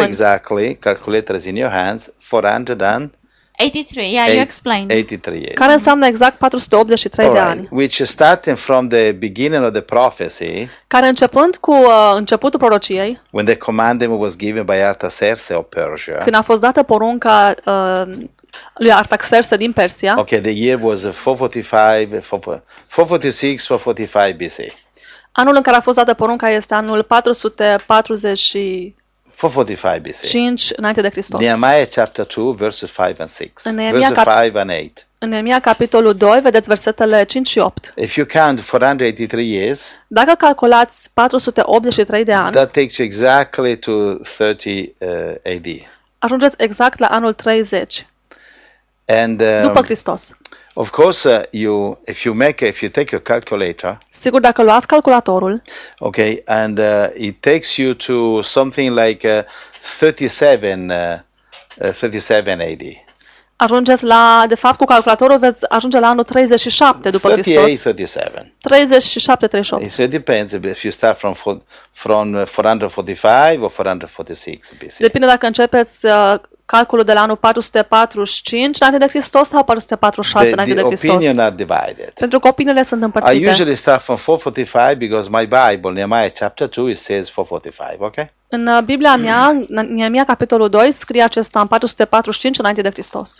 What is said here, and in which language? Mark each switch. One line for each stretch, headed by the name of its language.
English: Which are exactly, calculators in your hands, 483, yes.
Romanian: Care înseamnă exact 483
English: right.
Romanian: De ani.
English: Which starting from the beginning of the prophecy.
Romanian: Care începând cu începutul prorociei.
English: When the commandment was given by Artaxerxes of Persia.
Romanian: Când a fost dată porunca lui Artaxerxes din Persia.
English: Okay, the year was 445 BC.
Romanian: Anul în care a fost dată porunca este anul 445.
English: 445 BC.
Romanian: 5 înainte de Hristos.
English: Nehemiah chapter 2 verses 5 and 6.
Romanian: În Nehemia capitolul 2, vedeți versetele 5 și 8.
English: If you count 483 years.
Romanian: Dacă calculați 483 de ani.
English: That takes you exactly to 30 AD.
Romanian: Ajungeți exact la anul 30.
English: And
Romanian: după Hristos.
English: Of course if you take your calculator.
Romanian: Sigur dacă luați calculatorul.
English: Okay, and it takes you to something like 37 AD.
Romanian: ajungeți la, de fapt, cu calculatorul veți ajunge la anul 37 după Hristos.
English: 37. So it depends if you start from 445 or 446 BC.
Romanian: Depinde dacă începeți calculul de la anul 445 înainte de Hristos sau 446 înainte de Hristos.
English: The opinions are divided.
Romanian: Pentru că opiniile sunt împărțite.
English: I usually start from 445 because my Bible, Nehemiah chapter 2, it says 445, okay?
Romanian: În Biblia mea, Nehemia capitolul 2, scrie acesta în 445 înainte de Hristos.